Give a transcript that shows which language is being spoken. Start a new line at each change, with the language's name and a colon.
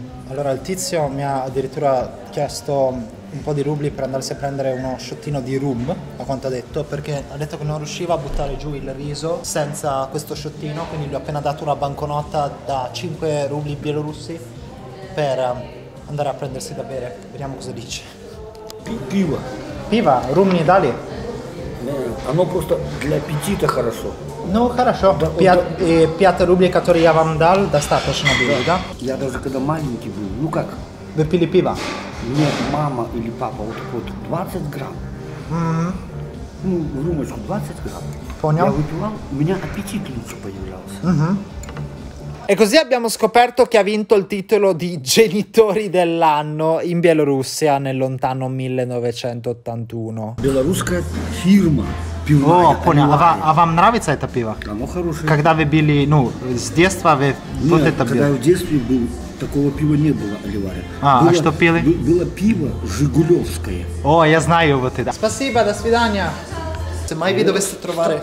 Italian: Allora, il tizio mi ha addirittura chiesto un po' di rubli per andarsi a prendere uno sciottino di rum, a quanto ha detto, perché ha detto che non riusciva a buttare giù il riso senza questo sciottino, quindi gli ho appena dato una banconota da 5 rubli bielorussi per andare a prendersi da bere. Vediamo cosa dice.
Russian: Piva.
Italian: Piva, rum in Italia.
Russian: Оно просто для аппетита хорошо. Ну хорошо. 5 рублей, которые я вам дал, достаточно было, да? Я даже когда маленький был, ну как? Вы пили пиво? Нет, мама или папа, вот такой 20 грамм. Ну, рюмочку 20 грамм. Понял. Я выпивал, у меня аппетит лучше появлялся.
Italian: E così abbiamo scoperto che ha vinto il titolo di genitori dell'anno in Bielorussia nel lontano 1981.
Russian: Bielorusska firma. пивная. О, понял. А вам нравится это пиво? Оно хорошее. Когда вы были, ну, с детства вы вот это пили? Нет, когда я в детстве был, такого пива не было, Оливаре. А что пили? Было пиво Жигулевское. О, я знаю вот это. Спасибо, до свидания.
Italian: Se mai vi dovesse trovare